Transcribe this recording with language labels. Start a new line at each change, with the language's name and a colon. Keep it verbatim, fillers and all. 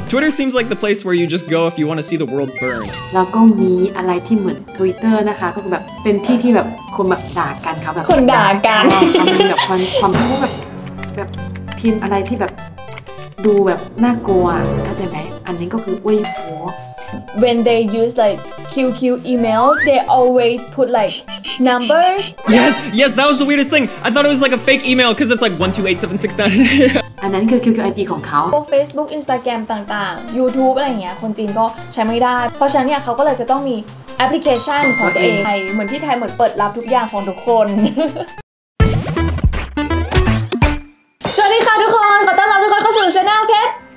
English: Twitter seems like the place where you just go if you want to see the world burn.
Thai: แล้วก็มีอะไรที่เหมือน Twitter นะคะก็คือแบบเป็นที่ที่แบบคนแบบด่ากันครับแบบ คนด่ากัน แบบความความพวกแบบแบบพิมพ์อะไรที่แบบดูแบบน่ากลัวเข้าใจไหมอันนี้ก็คืออุ้ยโห
English: When they use like คิว คิว email they always put like numbers. Yes, yes, that was the weirdest thing. I thought it was like a fake email because it's like one two eight seven six nine.
Thai: อันนั้นคือ คิว คิว ไอ ดี ของเขา Facebook Instagram ต่างๆ YouTube อะไรอย่างเงี้ยคนจีนก็ใช้ไม่ได้เพราะฉะนั้นเนี่ยเขาก็เลยจะต้องมีแอปพลิเคชันของตัวเองเหมือนที่ไทยเหมือนเปิดรับทุกอย่างของทุกคน สวัสดีค่ะทุกคนขอต้อนรับทุกคนเข้าสู่ Channel เพชร